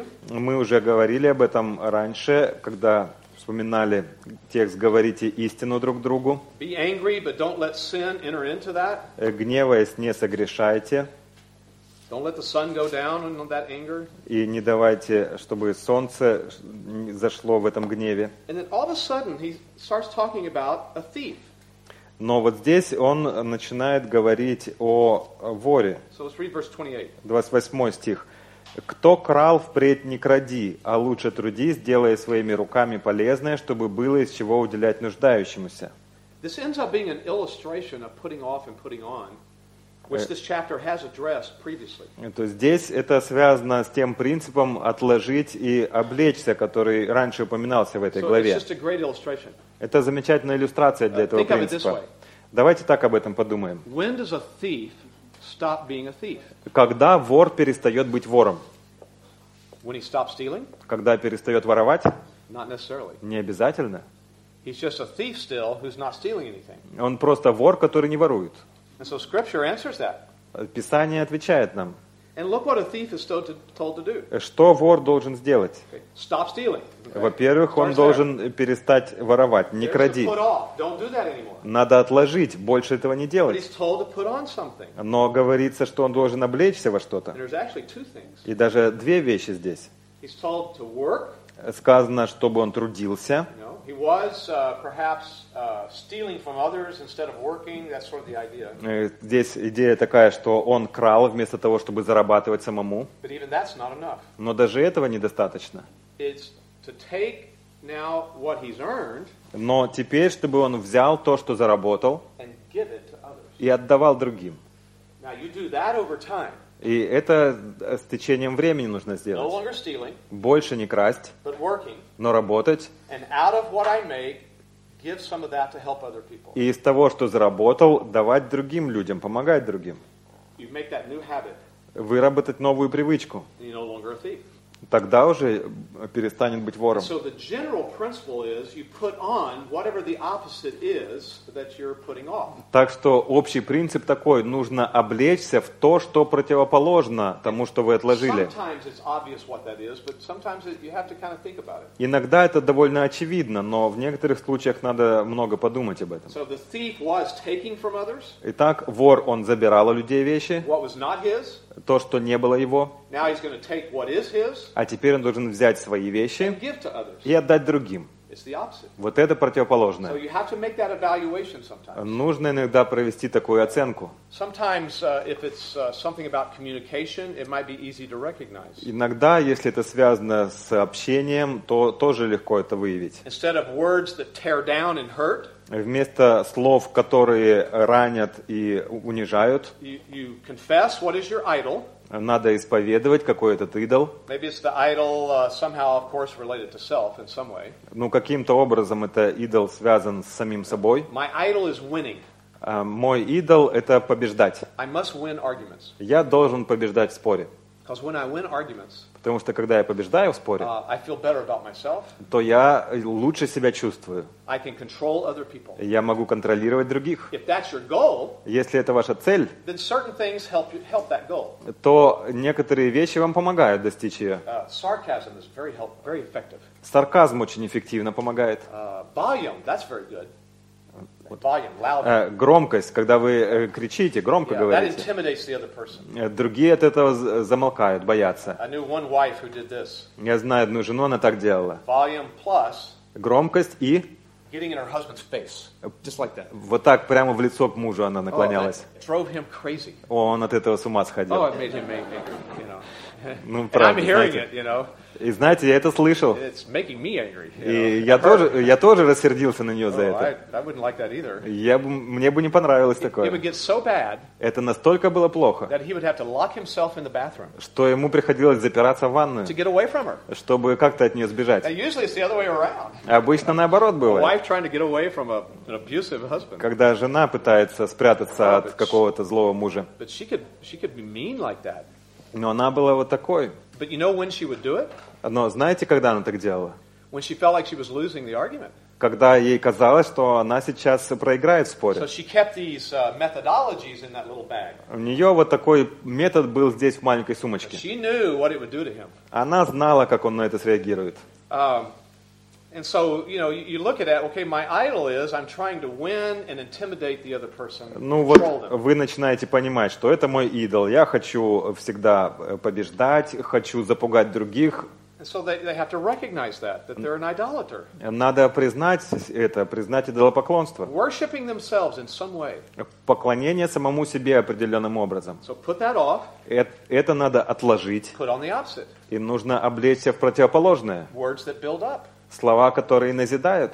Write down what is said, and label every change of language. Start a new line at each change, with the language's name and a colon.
Russian: Мы уже говорили об этом раньше, когда вспоминали текст «Говорите истину друг другу».
English: Be angry, but don't let sin enter into that.
Russian: Гневаясь, не согрешайте.
English: Don't let the sun go down on that anger.
Russian: И не давайте, чтобы солнце зашло в этом гневе.
English: And then all of a sudden he starts talking about a thief.
Russian: Но вот здесь он начинает говорить о воре.
English: So let's read verse 28.
Russian: 28 стих. Кто крал, впредь не кради, а лучше трудись, делая своими руками полезное, чтобы было из чего уделять нуждающемуся.
English: This ends up being an illustration of putting off and putting on, which this chapter has addressed previously.
Russian: То есть здесь это связано с тем принципом отложить и облечься, который раньше упоминался в этой главе.
English: So it's just a great illustration.
Russian: Это замечательная иллюстрация для этого принципа. Давайте так об этом подумаем.
English: When does a thief stop being a thief?
Russian: Когда вор перестает быть вором?
English: When he stops stealing?
Russian: Когда перестает воровать?
English: Not necessarily.
Russian: Не обязательно.
English: He's just a thief still who's not stealing anything.
Russian: Он просто вор, который не ворует.
English: And so scripture answers that.
Russian: Писание отвечает нам.
English: And look what a thief is told to do.
Russian: Что вор должен сделать?
English: Okay. Stop stealing. Okay.
Russian: Во-первых, он должен перестать воровать, не кради.
English: Don't do that anymore.
Russian: Надо отложить, больше этого не делать.
English: But he's told to put on something.
Russian: Но говорится, что он должен облечься во что-то.
English: And there's actually two things.
Russian: И даже две вещи здесь.
English: He's told to work.
Russian: Сказано, чтобы он трудился.
English: He was perhaps stealing from others instead of working. That's sort of the idea.
Russian: Здесь идея такая, что он крал вместо того, чтобы зарабатывать самому.
English: But even that's not enough.
Russian: Но даже этого недостаточно.
English: It's to take now what he's earned.
Russian: Но теперь, чтобы он взял то, что заработал,
English: and give it to others.
Russian: И отдавал другим.
English: Now you do that over time.
Russian: И это с течением времени нужно сделать.
English: No longer stealing.
Russian: Больше не красть.
English: But working.
Russian: Но работать.
English: And out of what I make, give some of that to help other people.
Russian: И из того, что заработал, давать другим людям, помогать другим.
English: You make that new habit.
Russian: Выработать новую привычку.
English: And you're no longer a thief.
Russian: Тогда уже перестанет быть вором.
English: So the general principle is you put on whatever the opposite is that you're putting off.
Russian: Так что общий принцип такой: нужно облечься в то, что противоположно тому, что вы отложили.
English: Sometimes it's obvious what that is, but sometimes you have to kind of think about it.
Russian: Иногда это довольно очевидно, но в некоторых случаях надо много подумать об этом.
English: So the thief was taking from others.
Russian: Итак, вор, он забирал у людей вещи.
English: What was not his.
Russian: То, что не было его.
English: Now he's going to take what is his.
Russian: А теперь он должен взять свои вещи
English: and give to others.
Russian: И отдать другим.
English: It's the opposite.
Russian: Вот это противоположное.
English: So you have to make that evaluation sometimes.
Russian: Нужно иногда провести такую оценку.
English: Sometimes, if it's something about communication, it might be easy to recognize.
Russian: Иногда, если это связано с общением, то тоже легко это выявить.
English: Instead of words that tear down and hurt,
Russian: вместо слов, которые ранят и унижают,
English: you confess what is your idol.
Russian: Надо исповедовать, какой этот идол.
English: Maybe it's the idol somehow, of course, related to self in some way.
Russian: Ну, каким-то образом это идол связан с самим собой.
English: My idol is winning.
Russian: Мой идол – это побеждать.
English: I must win arguments.
Russian: Я должен побеждать в споре.
English: Because when I win arguments,
Russian: потому что когда я побеждаю в споре,
English: I feel better about myself,
Russian: то я лучше себя чувствую.
English: I can control other people.
Russian: Я могу контролировать других.
English: If that's your goal,
Russian: если это ваша цель,
English: then certain things help you, help that goal.
Russian: То некоторые вещи вам помогают достичь ее.
English: Sarcasm is very help, very effective.
Russian: Сарказм очень эффективно помогает.
English: Volume, that's very good. Volume, loud.
Russian: Громкость, когда вы кричите, громко
English: yeah,
Russian: говорите.
English: That intimidates the other person.
Russian: Другие от этого замолкают, боятся.
English: I knew one wife who did this.
Russian: Я знаю одну жену, она так делала.
English: Volume plus.
Russian: Громкость и.
English: Getting in her husband's face, just like that.
Russian: Вот так прямо в лицо к мужу она наклонялась.
English: Oh, that drove him crazy.
Russian: Он от этого с ума сходил.
English: Oh, it made him angry, you know.
Russian: Ну, правда,
English: and I'm hearing it, you know.
Russian: И знаете, я это слышал.
English: It's making me angry, you know.
Russian: И я тоже рассердился на нее за это.
English: I wouldn't like that either.
Russian: Мне бы не понравилось такое.
English: It would get so bad,
Russian: это настолько было плохо,
English: that he would have to lock himself in the bathroom,
Russian: что ему приходилось запираться в ванную,
English: to get away from her,
Russian: чтобы как-то от нее сбежать.
English: And usually it's the other way around.
Russian: Обычно наоборот бывает.
English: A wife trying to get away from an abusive husband.
Russian: Когда жена пытается спрятаться от какого-то злого мужа.
English: But she could be mean like that.
Russian: Но она была вот такой.
English: But you know when she would do it?
Russian: Но знаете, когда она так делала?
English: When she felt like she was losing the argument.
Russian: Когда ей казалось, что она сейчас проиграет в споре.
English: So she kept these methodologies in that little bag.
Russian: У нее вот такой метод был здесь в маленькой сумочке.
English: She knew what it would do to him.
Russian: Она знала, как он на это среагирует.
English: And so, you know, you look at that, okay, my idol is I'm trying to win and intimidate the other person.
Russian: Ну вот вы начинаете понимать, что это мой идол. Я хочу всегда побеждать, хочу запугать других.
English: So they have to recognize that they're an idolater.
Russian: Надо признать это, признать идолопоклонство.
English: Worshipping themselves in some way.
Russian: Поклонение самому себе определенным образом.
English: So put that off.
Russian: Это надо отложить.
English: Put on the opposite.
Russian: И нужно облечься в противоположное.
English: Words that build up.
Russian: Слова, которые назидают.